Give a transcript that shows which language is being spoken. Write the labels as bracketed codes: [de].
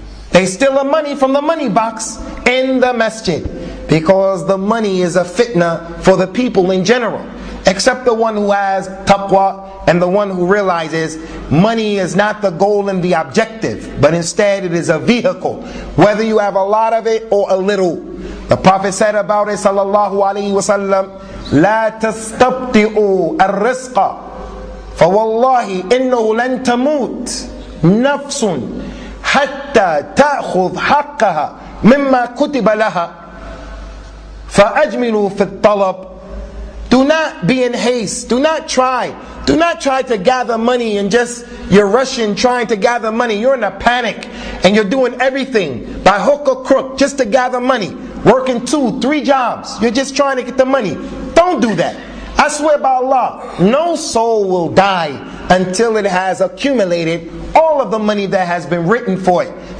[en] They steal the money from the money box in the masjid, because the money is a fitna for the people in general, except the one who has taqwa and the one who realizes money is not the goal and the objective, but instead it is a vehicle, whether you have a lot of it or a little. The Prophet said about it, [ar] sallallahu alaihi wasallam, لا تستبطئوا الرزق فوالله إنه لن تموت نفس حتى تأخذ حقها مما كتب لها فأجملوا في الطلب. [en] Do not be in haste. Do not try. Do not try to gather money and just, you're rushing trying to gather money. You're in a panic and you're doing everything by hook or crook just to gather money. Working 2-3 jobs. You're just trying to get the money. Don't do that. I swear by Allah, no soul will die until it has accumulated all of the money that has been written for it.